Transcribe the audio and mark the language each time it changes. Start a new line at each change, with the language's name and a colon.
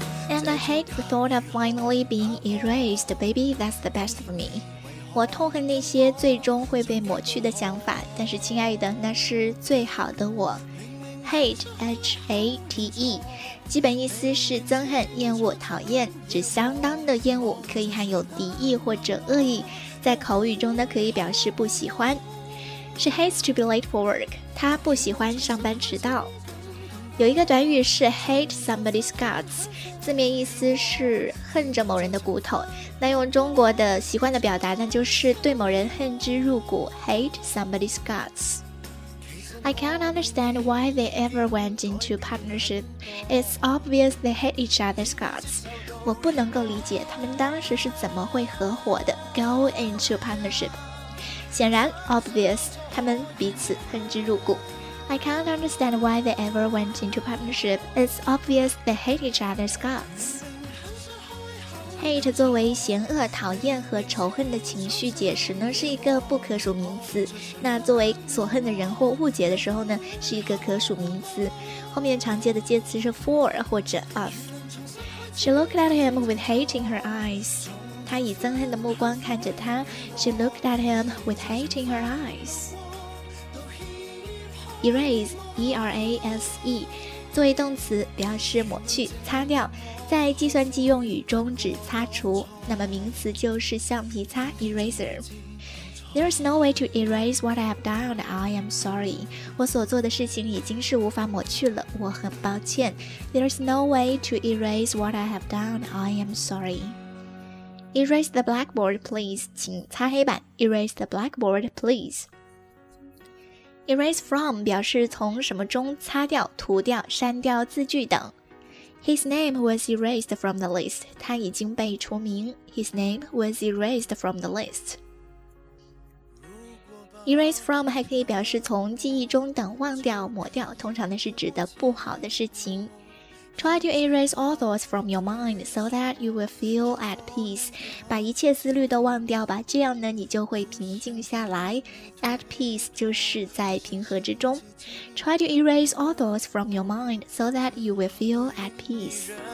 English: And I hate the thought of finally being erased, baby, that's the best for me.
Chinese: 我痛恨那些最终会被抹去的想法，但是亲爱的，那是最好的我。 Hate, H-A-T-E, 基本意思是憎恨、厌恶、讨厌，指相当的厌恶，可以含有敌意或者恶意，在口语中呢可以表示不喜欢。
English: She hates to be late for work,
Chinese: 她不喜欢上班迟到。有一个短语是
English: hate somebody's guts,
Chinese: 字面意思是恨着某人的骨头，那用中国的习惯的表达那就是对某人恨之入骨， hate somebody's guts.
English: I can't understand why they ever went into partnership. It's obvious they hate each other's guts.
Chinese: 我不能够理解他们当时是怎么会合伙的，
English: go into partnership.
Chinese: 显然 obvious, 他们彼此恨之入骨。
English: I can't understand why they ever went into partnership. It's obvious they hate each other's guts.
Chinese: Hate 作为嫌恶、讨厌和仇恨的情绪解释呢，是一个不可数名词。那作为所恨的人或误解的时候呢，是一个可数名词。后面常见的介词是 for 或者 of.
English: She looked at him with hate in her eyes.
Chinese: 她以憎恨的目光看着他。
English: She looked at him with hate in her eyes.
Chinese: Erase, E-R-A-S-E, 作为动词表示抹去、擦掉，在计算机用语中指擦除，那么名词就是橡皮擦 ,eraser.
English: There is no way to erase what I have done, I am sorry.
Chinese: 我所做的事情已经是无法抹去了，我很抱歉。
English: There is no way to erase what I have done, I am sorry. Erase the blackboard, please.
Chinese: 请擦黑板。
English: Erase the blackboard, please.
Chinese: Erase from 表示从什么中擦掉、涂掉、删掉字句等。
English: His name was erased from the list.
Chinese: 他已经被除名。
English: His name was erased from the list.
Chinese: Erase from 还可以表示从记忆中等忘掉、抹掉，通常呢是指的不好的事情。
English: Try to erase all thoughts from your mind so that you will feel at peace.
Chinese: 把一切思虑都忘掉吧，这样呢你就会平静下来。 At peace 就是在平和之中。
English: Try to erase all thoughts from your mind so that you will feel at peace.